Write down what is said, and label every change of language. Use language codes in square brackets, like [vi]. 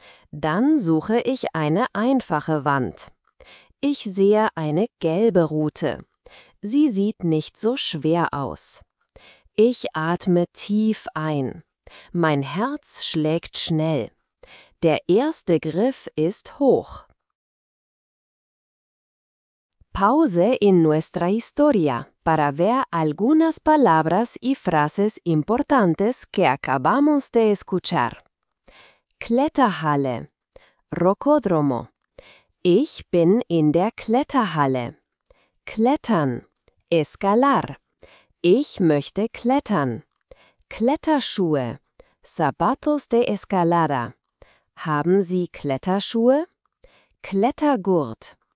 [de] Dann suche ich eine einfache Wand. Ich sehe eine gelbe Rute. Sie sieht nicht so schwer aus. Ich atme tief ein. Mein Herz schlägt schnell. Der erste Griff ist hoch. [es] Pause in nuestra historia para ver algunas palabras y frases importantes que acabamos de escuchar. [de] Kletterhalle. Rocódromo. Ich bin in der Kletterhalle. Klettern. Escalar. Ich möchte klettern. Kletterschuhe. [es] Zapatos de escalada. [de] Haben Sie Kletterschuhe? Klettergurt.